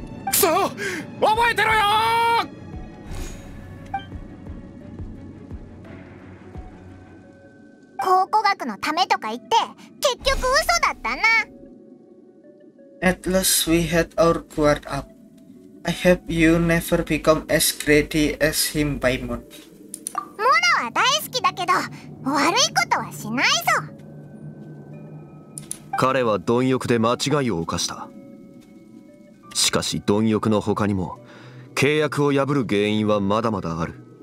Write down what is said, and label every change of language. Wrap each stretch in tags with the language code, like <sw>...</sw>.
<ja>クソ、覚えてろよ。考古学のためとか言って結局嘘だったな。</ja> <en>At last we had our guard up. I hope you never become as greedy as him, Paimon.</en> <ja>モロは大好きだけど悪いことはしないぞ。彼は貪欲で間違いを犯した。しかし貪欲の他にも契約を破る原因はまだまだある。</ja>